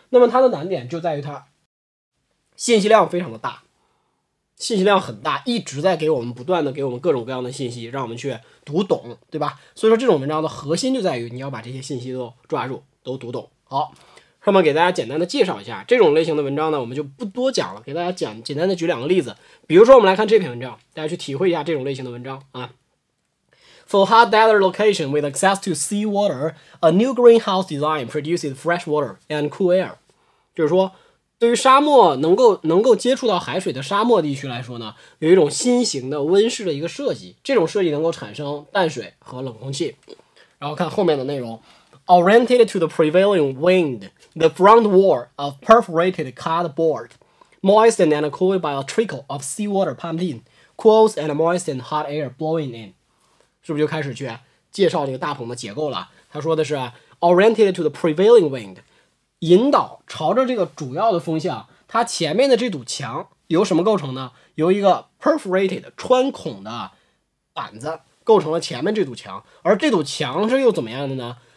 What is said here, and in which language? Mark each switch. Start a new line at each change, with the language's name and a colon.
Chinese: 那么它的难点就在于它信息量非常的大，信息量很大，一直在给我们不断的给我们各种各样的信息让我们去读懂，对吧？所以说这种文章的核心就在于你要把这些信息都抓住，都读懂。好，上面给大家简单的介绍一下这种类型的文章呢，我们就不多讲了，给大家讲简单的举两个例子。比如说我们来看这篇文章，大家去体会一下这种类型的文章啊。
English: For hot desert location with access to sea water, a new greenhouse design produces fresh water and cool air.
Chinese: 就是说对于沙漠能够接触到海水的沙漠地区来说呢，有一种新型的温室的一个设计，这种设计能够产生淡水和冷空气。然后看后面的内容。
English: Oriented to the prevailing wind, the front wall of perforated cardboard, moistened and cooled by a trickle of seawater pumped in, cools and moistened hot air blowing in.
Chinese: 是不是就开始去介绍这个大棚的结构了？他说的是
English: oriented to the prevailing wind,
Chinese: 引导朝着这个主要的风向。它前面的这堵墙由什么构成呢？由一个 perforated 穿孔的板子构成了前面这堵墙，而这堵墙是又怎么样的呢？